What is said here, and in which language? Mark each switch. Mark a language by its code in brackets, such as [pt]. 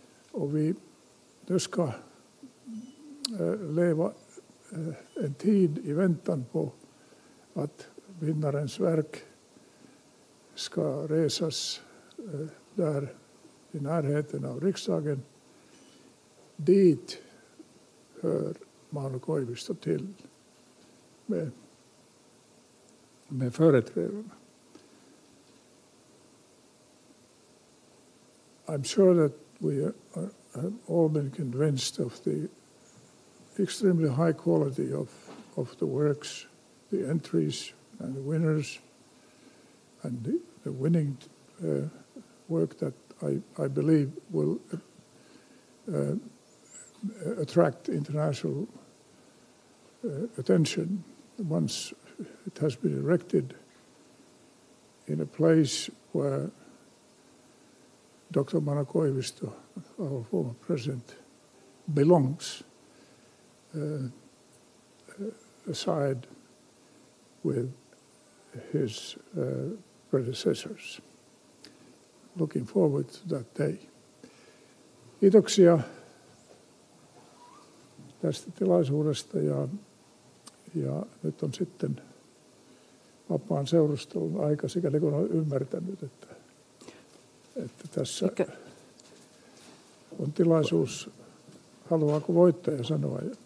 [sv] Och vi nu ska leva en tid i väntan på att vinnarens verk ska resas där i närheten av riksdagen. Dit hör Mauno Koivisto till med företrädarna. [en] I'm sure that we have all been convinced of the extremely high quality of the works, the entries and the winners, and the winning work that I believe will attract international attention once it has been erected in a place where Dr. Mauno Koivisto, our former president, belongs, aside with his predecessors. Looking forward to that day. [fi] Kiitoksia tästä tilaisuudesta ja nyt on sitten vapaan seurustelun aika, sikäli kun olen ymmärtänyt, että tässä on tilaisuus, haluaako voittaja sanoa.